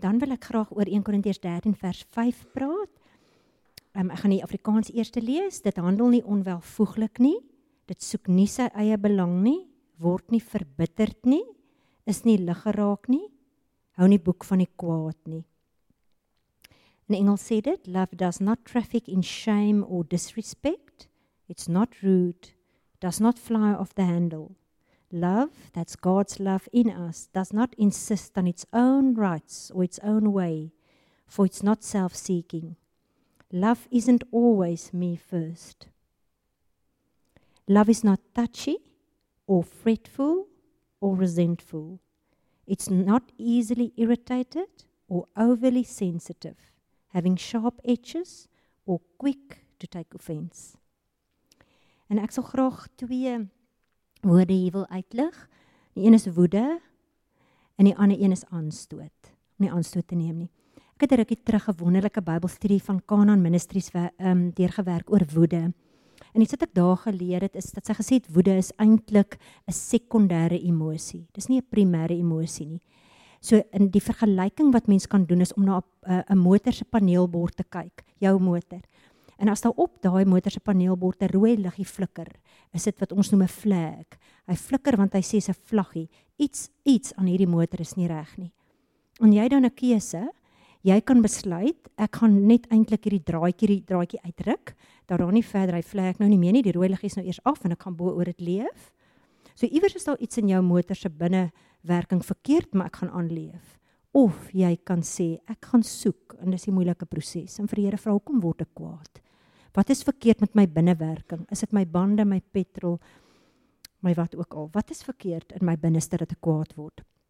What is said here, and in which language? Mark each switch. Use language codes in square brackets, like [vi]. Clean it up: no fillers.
[af] Dan wil ek graag oor 1 Korintiërs 13 vers 5 praat. Ek gaan die Afrikaans eerste lees, dit handel nie onwelvoeglik nie. Dit soek nie sy eie belang nie, word nie verbitterd nie, is nie lig geraak nie, hou nie boek van die kwaad nie. [en] In Engels sê dit, love does not traffic in shame or disrespect, it's not rude, does not fly off the handle. Love, that's God's love in us, does not insist on its own rights or its own way, for it's not self-seeking. Love isn't always me first. Love is not touchy or fretful or resentful. It's not easily irritated or overly sensitive, having sharp edges or quick to take offense. [af] En ek sal graag twee woorde hier wil uitlig. Die een is woede en die ander een is aanstoot. Om nie aanstoot te neem nie. Ek het 'n rukkie terug 'n wonderlike Bybelstudie van Kanaan Ministries deurgewerk oor woede. En iets wat ek daar geleer het, is dat sy gesê het, woede is eintlik 'n sekondêre emosie. Dis nie 'n primêre emosie nie. So in die vergelyking wat mens kan doen, is om na 'n motor se paneelbord te kyk, jou motor. En as daar op daai motor se paneelbord 'n rooi liggie flikker, is dit wat ons noem 'n flag. Hy flikker want hy sê sy vlaggie, iets aan hierdie motor is nie reg nie. En jy dan 'n keuse, jy kan besluit, ek gaan net eintlik hierdie draadjie uitruk, dat daar nie verder, hy vlek nou nie meer nie, die rooi liggie is nou eers af en ek gaan bo oor dit leef. So iewers is daar iets in jou motor se binnewerking verkeerd, maar ek gaan aanleef. Of jy kan sê, ek gaan soek, en dis die moeilike proses, en vir die Here vra, hoekom word ek kwaad? Wat is verkeerd met my binnewerking? Is dit my bande, my petrol, my wat ook al? Wat is verkeerd in my binneste dat ek kwaad word?